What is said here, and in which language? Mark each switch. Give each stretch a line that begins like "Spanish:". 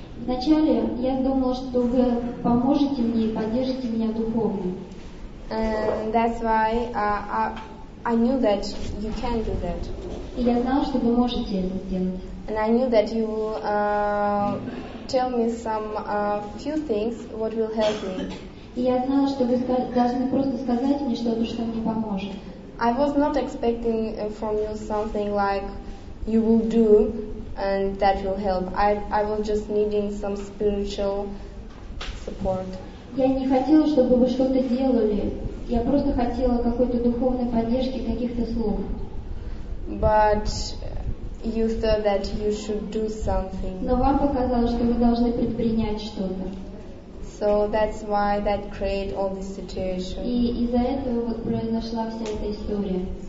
Russian: Вначале я думала, что вы поможете мне и поддержите меня духовно.
English: And that's why I knew that you can do that.
Russian: И я знала, что вы можете это сделать.
English: And I knew that you will tell me some few things what will help me.
Russian: И я знала, что вы должны просто сказать мне что-то, что мне поможет.
English: I was not expecting from you something like you will do and that will help. I was just needing some spiritual support.
Russian: Я не хотела, чтобы вы что-то делали. Я просто хотела какой-то духовной поддержки, каких-то слов.
English: But you thought that you should do something.
Russian: Но вам показалось, что вы должны предпринять что-то.
English: So that's why that created all this situation.
Russian: И из-за этого вот произошла вся эта история.